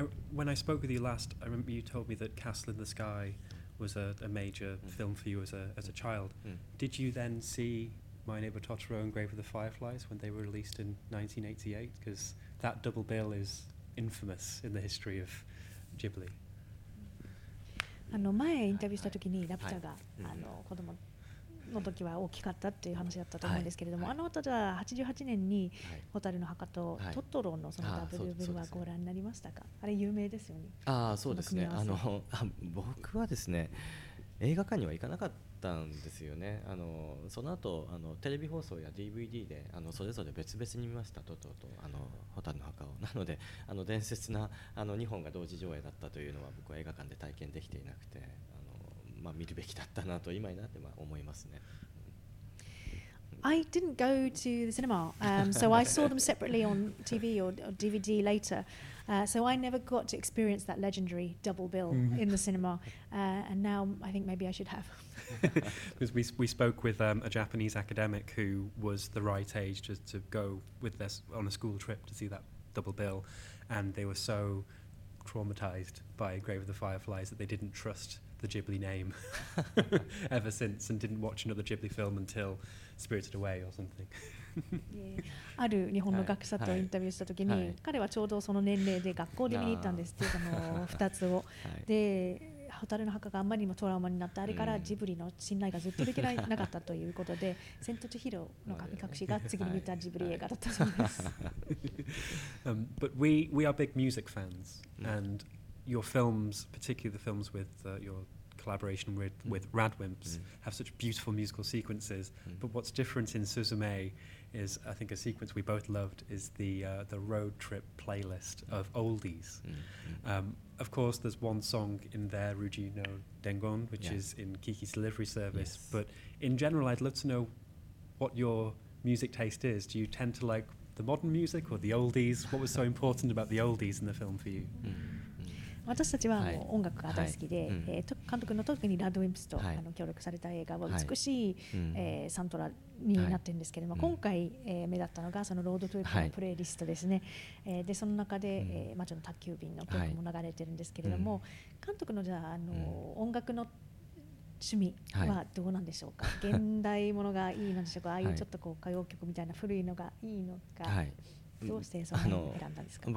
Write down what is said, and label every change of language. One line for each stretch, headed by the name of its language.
English: When I spoke with you last, I remember you told me that Castle in the Sky was a major film for you as a child. Did you then see My Neighbor Totoro and Grave of the Fireflies when they were released in 1988? Because that double bill is infamous in the history of Ghibli.
Japanese: あの前インタビューした時にラピュタが、はいはい、あの子供の時は大きかったっていう話だったと思うんですけれども、はい、あの後じゃあ88年にホタルの墓とトトロのそのダブルブルはご覧になりましたか、はい、あれ有名ですよね。ああそうですね、あの僕はですね映画館には行かなかったんですよね。あのその後あのテレビ放送や DVD であのそれぞれ別々に見ました、トトロとあのホタルの墓を。なのであの伝説なあの2本が同時上映だったというのは僕は映画館で体験できていなくて、まあ、見るべきだったなと今になって思いますね。
English: I didn't go to the cinema, so I saw them separately on TV or DVD later, so I never got to experience that legendary double bill in the cinema, and now I think maybe I should have. Because we spoke with a Japanese academic who was the right age to go with this on a school trip to see that double bill, and they were so traumatized by Grave of the Fireflies that they didn't trust the Ghibli name ever since, and didn't watch another Ghibli film until Spirited Away or something. Yeah.
Japanese: ある日本の学者とインタビューしたときに、はい、彼はちょうどその年齢で学校で見に行ったんですっていうの2つを、はい、で、蛍の墓があんまりにもトラウマになって、あれからジブリの信頼がずっとできなかったということで、千と千尋の神隠しが次に見たジブリ映画だったそうです。
English: But we are big music fans, and your films, particularly the films with your collaboration with Radwimps, have such beautiful musical sequences. But what's different in Suzume is, I think, a sequence we both loved is the road trip playlist of oldies. Of course, there's one song in there, Rugino Dengon, which is in Kiki's Delivery Service. Yes. But in general, I'd love to know what your music taste is. Do you tend to like the modern music or the oldies? What was so important about the oldies in the film for you? Mm.
Japanese: 私たちはもう音楽が大好きで、はいはい、監督の特にラッドウィンプスと、はい、あの協力された映画は美しい、はい、サントラになってるんですけれども、はい、今回、目立ったのがそのロードトリップのプレイリストですね、はい、でその中で、魔女の宅急便の曲も流れてるんですけれども、はい、監督のじゃあ、音楽の趣味はどうなんでしょうか、はい、現代ものがいいのでしょうか、はい、ああいうちょっとこう歌謡曲みたいな古いのがいいのか、はい、どうしてそれを選んだんですか。